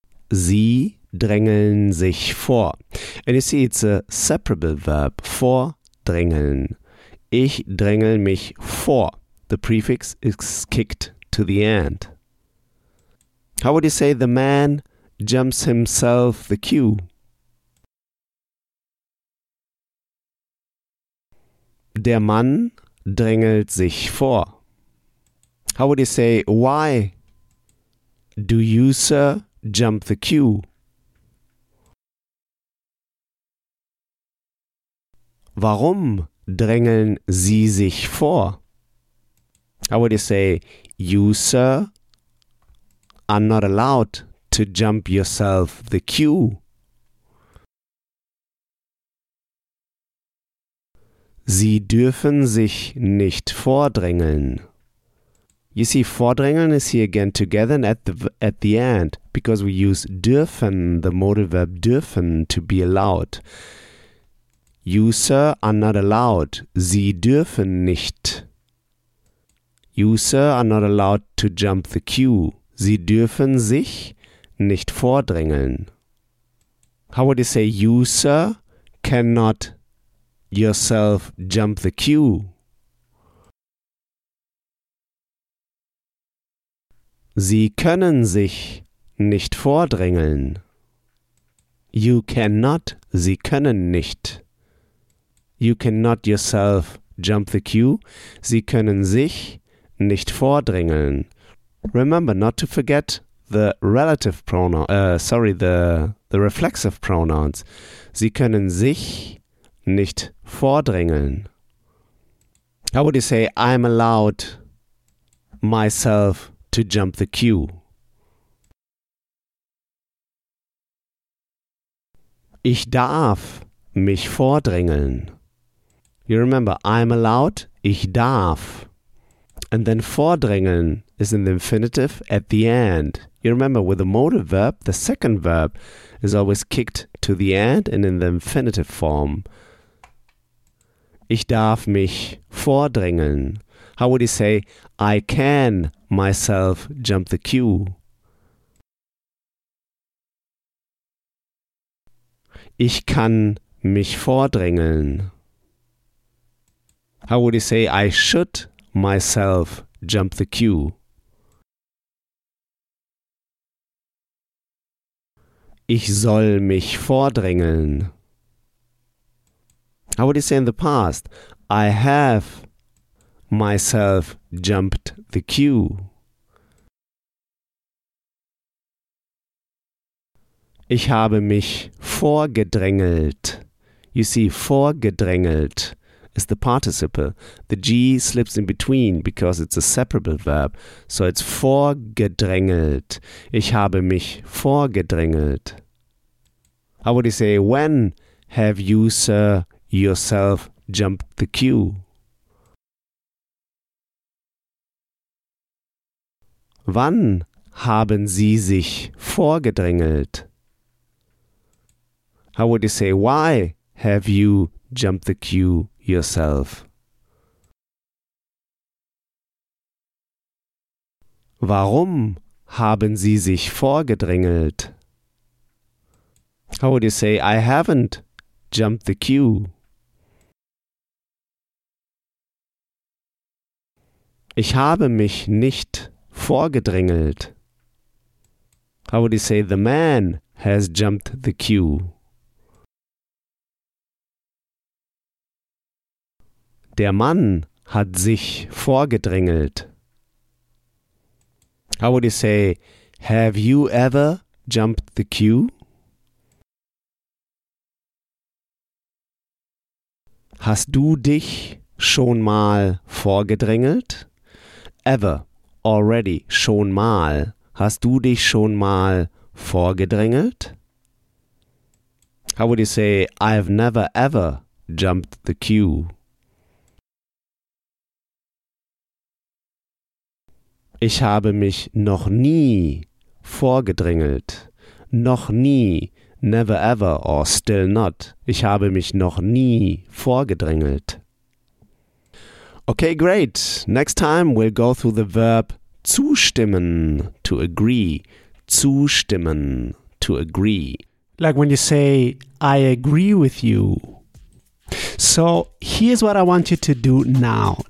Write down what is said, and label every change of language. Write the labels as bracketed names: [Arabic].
[German] Sie drängeln sich vor. [English] And you see, it's a separable verb, vordrängeln. [German] Ich drängel mich vor. [English] The prefix is kicked to the end. How would you say, the man jumps himself the queue? [German] Der Mann drängelt sich vor. [English] How would you say, why do you, sir, jump the queue? [German] Warum drängeln Sie sich vor? [English] How would you say, you, sir, are not allowed to jump yourself the queue? [German] Sie dürfen sich nicht vordrängeln. [English] You see, vordrängeln is here again together and at the end, because we use dürfen, the modal verb dürfen, to be allowed. You, sir, are not allowed. [German] Sie dürfen nicht. [English] You, sir, are not allowed to jump the queue. [German] Sie dürfen sich nicht vordrängeln. [English] How would you say, you, sir, cannot yourself jump the queue? [German] Sie können sich nicht vordrängeln. [English] You cannot, [German] sie können nicht. [English] You cannot yourself jump the queue. [German] Sie können sich nicht vordrängeln. [English] Remember not to forget the relative pronoun, the reflexive pronouns. [German] Sie können sich nicht vordrängeln. [English] How would you say, I'm allowed myself to jump the queue? [German] Ich darf mich vordrängeln. [English] You remember, I'm allowed, [German] ich darf. [English] And then vordrängeln is in the infinitive at the end. You remember, with the modal verb, the second verb is always kicked to the end and in the infinitive form. [German] Ich darf mich vordrängeln. [English] How would you say, I can myself jump the queue? [German] Ich kann mich vordrängeln. [English] How would he say, I should myself jump the queue? [German] Ich soll mich vordrängeln. [English] How would he say in the past? I have myself jumped the queue. [German] Ich habe mich vorgedrängelt. [English] You see, vorgedrängelt is the participle. The G slips in between because it's a separable verb. So it's vorgedrängelt. [German] Ich habe mich vorgedrängelt. [English] How would you say, when have you, sir, yourself jumped the queue? [German] Wann haben Sie sich vorgedrängelt? [English] How would you say, why have you jumped the queue yourself? [German] Warum haben Sie sich vorgedrängelt? [English] How would you say, I haven't jumped the queue? [German] Ich habe mich nicht vorgedrängelt. [English] How would you say, the man has jumped the queue? [German] Der Mann hat sich vorgedrängelt. [English] How would you say, have you ever jumped the queue? [German] Hast du dich schon mal vorgedrängelt? [English] Ever, already, [German] schon mal. Hast du dich schon mal vorgedrängelt? [English] How would you say, I've never ever jumped the queue? [German] Ich habe mich noch nie vorgedrängelt. Noch nie. [English] Never ever or still not. [German] Ich habe mich noch nie vorgedrängelt. [English] Okay, great. Next time we'll go through the verb zustimmen, to agree. Zustimmen, to agree. Like when you say, I agree with you. So here's what I want you to do now.